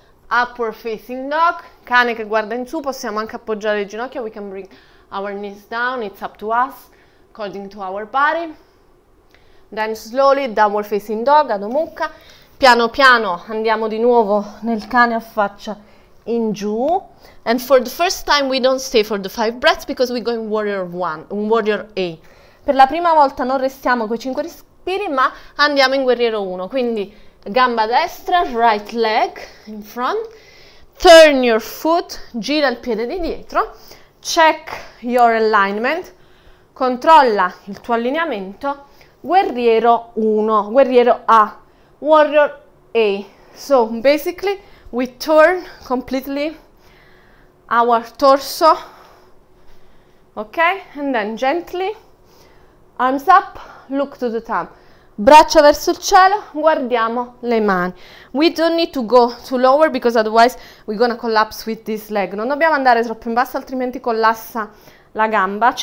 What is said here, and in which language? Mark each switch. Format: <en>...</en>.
<en>Upward facing dog,</en> <it>cane che guarda in su, possiamo anche appoggiare le ginocchia,</it> <en>we can bring our knees down, it's up to us, according to our body. Then slowly, downward facing dog,</en> <it>Adho Mukha, piano piano andiamo di nuovo nel cane a faccia in giù.</it> <en>And for the first time we don't stay for the 5 breaths because we go in warrior one, in warrior A.</en> <it>Per la prima volta non restiamo con i 5 respiri, ma andiamo in guerriero 1. Quindi gamba destra,</it> <en>right leg in front. Turn your foot,</en> <it>gira il piede di dietro.</it> <en>Check your alignment.</en> <it>Controlla il tuo allineamento. Guerriero 1, guerriero A,</it> <en>warrior A. So basically we turn completely our torso. Ok? And then gently arms up, look to the thumb.</en> <it>Braccia verso il cielo, guardiamo le mani.</it> <en>We don't need to go too lower because otherwise we're gonna collapse with this leg.</en> <it>Non dobbiamo andare troppo in basso, altrimenti collassa la gamba.</it>